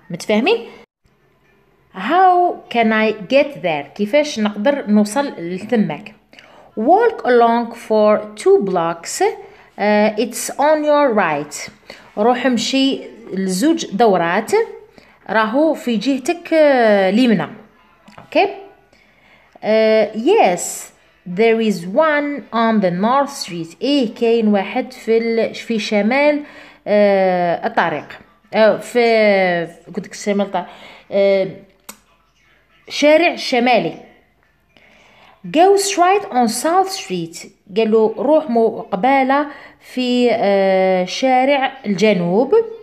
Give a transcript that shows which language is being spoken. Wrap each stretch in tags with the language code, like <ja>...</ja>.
<en>متفاهمين؟ How can I get there؟</en> <ar>كيفاش نقدر نوصل لتمك؟</ar> <en>Walk along for two blocks. It's on your right.</en> <ar>روح مشي لزوج دورات، راهو في جهتك اليمنى. اوكي</ar> <en>yes there is one on the north street.</en> <ar>ايه كاين واحد في شمال الطريق، في قلت لك شمال الطريق، شارع شمالي.</ar> <en>Go straight on south street.</en> <ar>قالوا روح مقبله في شارع الجنوب.</ar>